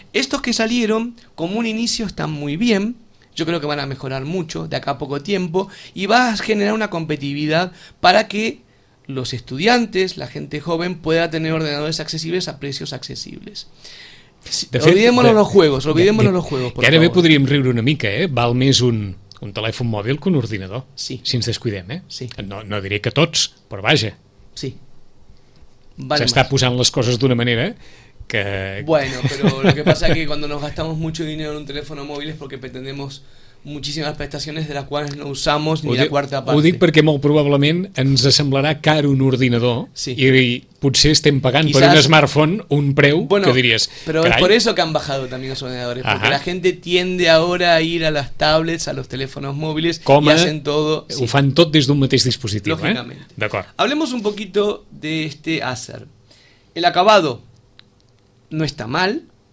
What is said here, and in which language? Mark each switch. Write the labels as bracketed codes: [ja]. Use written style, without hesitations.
[es] Estos que salieron, como un inicio, están muy bien. Yo creo que van a mejorar mucho de acá a poco tiempo y va a generar una competitividad para que los estudiantes, la gente joven, pueda tener ordenadores accesibles a precios accesibles. Olvidémonos los juegos, [ca] Que ara bé podríem riure una mica, eh? Val més un telèfon mòbil que un ordinador. Sí. Si ens descuidem, eh? Sí. No diré que tots, però vaja. Sí. Vale, s'està posant les coses d'una manera que... [es] Bueno, pero lo que pasa es que cuando nos gastamos mucho dinero en un teléfono móvil es porque pretendemos muchísimas prestaciones de las cuales no usamos ni la cuarta parte. [ca] Ho dic perquè molt probablement ens semblarà car un ordinador, sí. I potser estem pagant quizás, per un smartphone, un preu, bueno, que diries... [es] Pero carai, es por eso que han bajado también los ordenadores, porque la gente tiende ahora a ir a las tablets, a los teléfonos móviles, [ca] com [es] y hacen todo... [ca] Ho fan tot des d'un mateix dispositiu, [es] lógicamente. [ca] D'acord. [es] Hablemos un poquito de este Acer. El acabado no está mal.